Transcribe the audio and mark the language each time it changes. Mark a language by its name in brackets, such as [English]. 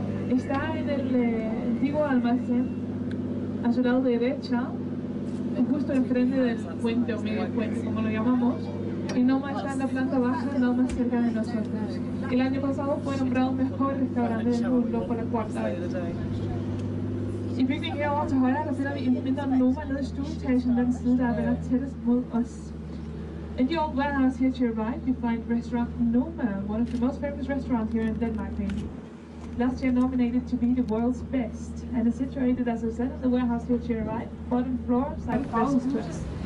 [Spanish] Está en el antiguo almacén a su lado derecha, justo enfrente del puente o medio puente, como lo llamamos. Y Noma está en la planta baja, no más cerca de nosotros. El año pasado fue nombrado mejor restaurante del mundo por la cuarta vez. [Danish] Y bygningen herovre til højre, der finder vi indenfor Noma nede i stueetagen, den side, der er været tættest mod os. [English] In the old warehouse here to your right, you find restaurant Noma, one of the most famous restaurants here in Denmark, maybe. Last year nominated to be the world's best, and is situated, as I said, in the warehouse here to your right, bottom floor, side houses to us.